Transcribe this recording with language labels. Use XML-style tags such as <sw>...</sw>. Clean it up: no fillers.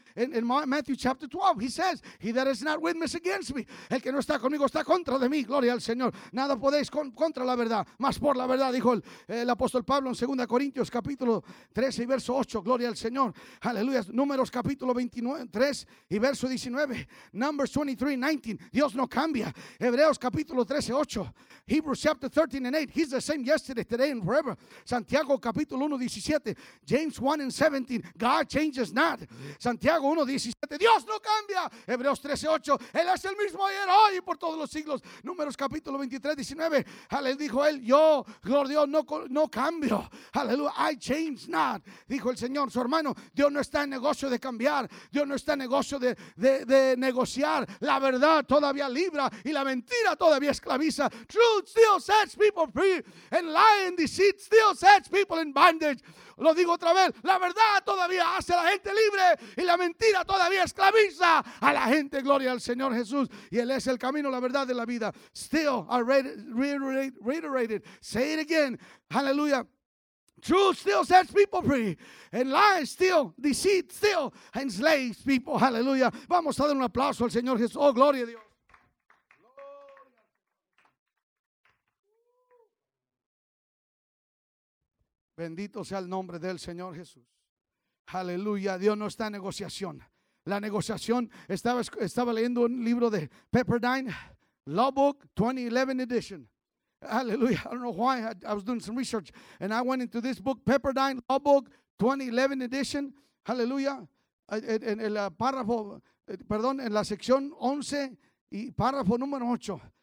<en>In Matthew chapter 12, He says, He that is not with me is against me.</en> <es>El que no está conmigo está contra de mí, gloria al Señor. Nada podéis contra la verdad, más por la verdad, dijo el apóstol Pablo en 2 Corintios capítulo 13 y verso 8, gloria al Señor, aleluya. Números capítulo 23 y verso 19,</es> <en>Numbers 23, 19,</en> <es>Dios no cambia. Hebreos capítulo 13, 8,</es> <en>Hebrews chapter 13 and 8, He's the same yesterday, today and forever.</en> <es>Santiago capítulo 1, 17,</es> <en>James 1 and 17, God changes not.</en> <es>Santiago 1:17, Dios no cambia. Hebreos 13:8, Él es el mismo ayer, hoy y por todos los siglos. Números capítulo 23:19, aleluya, dijo Él, yo, gloria a Dios, no cambio. Aleluya,</es> <en>I change not,</en> <es>dijo el Señor. Su hermano, Dios no está en negocio de cambiar, Dios no está en negocio de negociar. La verdad todavía libra y la mentira todavía esclaviza.</es> <en>Truth still sets people free, and lying deceit still sets people in bondage.</en> <es>Lo digo otra vez, la verdad todavía hace a la gente libre y la mentira todavía esclaviza a la gente. Gloria al Señor Jesús, y Él es el camino, la verdad de la vida.</es> <en>Still, I reiterated, say it again, hallelujah. Truth still sets people free, and lies still, deceit still enslaves people, hallelujah.</en> <es>Vamos a dar un aplauso al Señor Jesús, oh gloria a Dios. Bendito sea el nombre del Señor Jesús. Aleluya, Dios no está en negociación. La negociación, estaba leyendo un libro de Pepperdine, Law Book 2011 Edition.</es> <en>Aleluya, I don't know why, I was doing some research, and I went into this book, Pepperdine Law Book 2011 Edition.</en> <es>Aleluya, en el párrafo, perdón, en la sección 11 y párrafo número 8.</es>